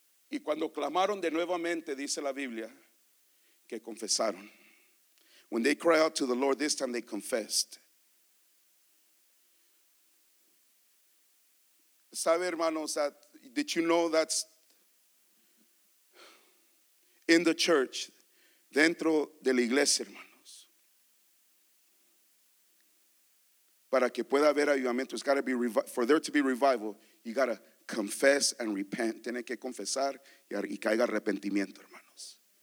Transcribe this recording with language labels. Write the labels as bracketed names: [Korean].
[Spanish] Y cuando clamaron de nuevamente, dice la Biblia, que confesaron. [English] When they cry out to the Lord, this time they confessed. [Spanish] ¿Sabe, hermanos, [English] that, did you know that's in the church? [Spanish] Dentro de la iglesia, hermanos. Para que pueda haber avivamiento, [English] it's got to be, for there to be revival, you got to confess and repent. [Spanish] Tiene que confesar y caiga arrepentimiento, hermanos.